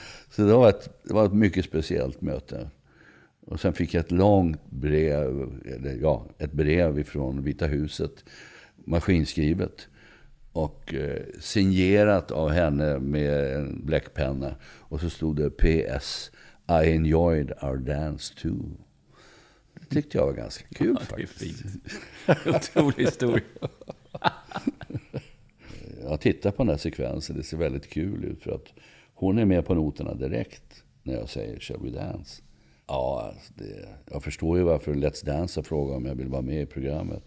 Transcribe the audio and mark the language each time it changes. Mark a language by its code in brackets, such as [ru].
[sv] Så det var ett mycket speciellt möte. Och sen fick jag ett långt brev, eller ja, ett brev ifrån Vita huset, maskinskrivet. Och signerat av henne med en bläckpenna. Och så stod det PS: [en] "I enjoyed our dance too." [sv] Det tyckte jag var ganska kul, ja, faktiskt. Otrolig historia. Jag tittar på den här sekvensen. Det ser väldigt kul ut för att hon är med på noterna direkt när jag säger [en] "Shall we dance?" [sv] Ja, jag förstår ju varför Let's Dance har frågat om jag vill vara med i programmet.